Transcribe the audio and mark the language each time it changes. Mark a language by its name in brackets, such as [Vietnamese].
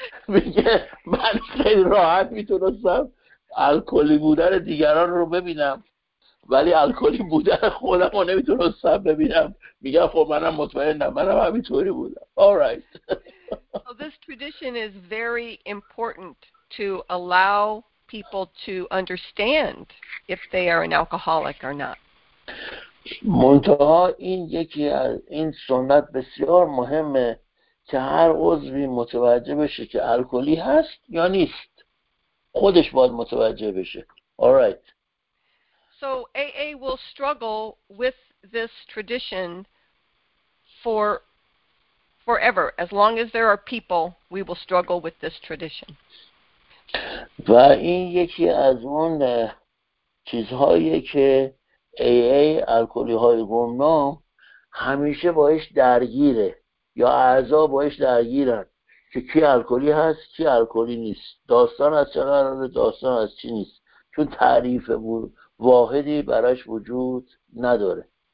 [Persian] میگه من خیلی راحت میتونستم الکلی بودن دیگران رو ببینم ولی الکلی بودن خودم رو نمیتونستم ببینم. میگه خب منم مطمئنم منم همینطوری بودم. [English] Alright. So this tradition is very important to allow people to understand if they are an alcoholic or not. [Persian] منتها این یکی از این سنت بسیار مهمه که هر عضوی متوجه بشه که الکلی هست یا نیست. خودش باید متوجه بشه. [English] Alright. So AA will struggle with this tradition forever. As long as there are people, we will struggle with this tradition. [Persian] و این یکی از اون چیزهایی که AA الکلی های گمنام همیشه بایش درگیره. یا اعضا بایش درگیرن که کی الکلی هست کی الکلی نیست، داستان از چه قراره داستان از چی نیست، چون تعریف واحدی براش وجود نداره.